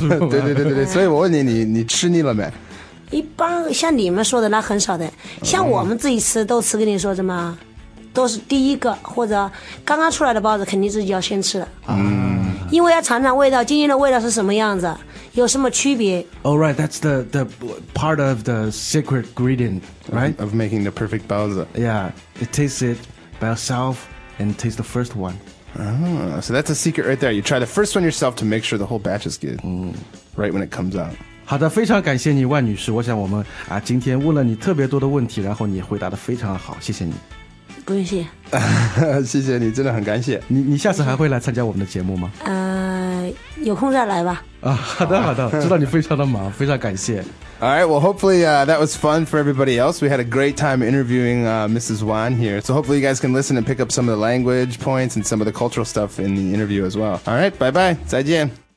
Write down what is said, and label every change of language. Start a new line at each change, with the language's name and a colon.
Chinese: 对对对对对，所以我问你，你吃腻了没？一般像你们说的那很少的，像我们自己吃都吃，跟你说什么？都是第一个或者刚刚出来的包子肯定自己要先吃的。因为要尝尝味道，今天的味道是什么样子，有什么区别。
English: Oh, right, that's the part of the secret ingredient, right? Of making the perfect baozi. Yeah, it tastes it by itself and tastes the first one. Oh, so that's a secret right there. You try the first one yourself to make sure the whole batch is good, right when it comes out.
Chinese: 好的，非常感谢你万女士，我想我们啊今天问了你特别多的问题，然后你回答得非常好，谢谢你。不用谢。谢谢你，真的很感谢。你下次还会来参加我们的节目吗？有空再来吧。啊，好的好的，知道你非常的忙，非常感谢。
English: Alright, well hopefully that was fun for everybody else. We had a great time interviewing Mrs. Wan here. So hopefully you guys can listen and pick up some of the language points and some of the cultural stuff in the interview as well. Alright, bye bye,
Chinese: 再见。